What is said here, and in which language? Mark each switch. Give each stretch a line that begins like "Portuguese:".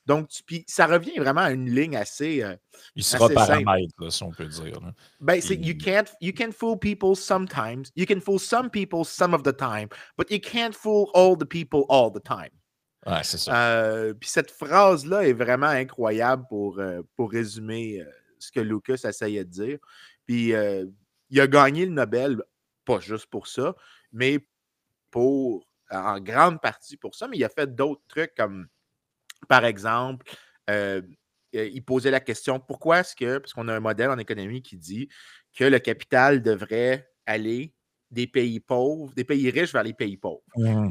French: Donc, puis ça revient vraiment à une ligne assez Il sera assez paramètre, là, si on peut dire.
English: Ben, c'est « you can fool people sometimes, you can fool some people some of the time, but you can't fool all the people all the time. »
French: Ouais, c'est ça. Puis cette phrase-là est vraiment incroyable pour résumer ce que Lucas essayait de dire. Puis il a gagné le Nobel, pas juste pour ça, mais pour en grande partie pour ça, mais il a fait d'autres trucs comme, par exemple, il posait la question, pourquoi est-ce que, parce qu'on a un modèle en économie qui dit que le capital devrait aller des pays pauvres, des pays riches vers les pays pauvres. Mmh.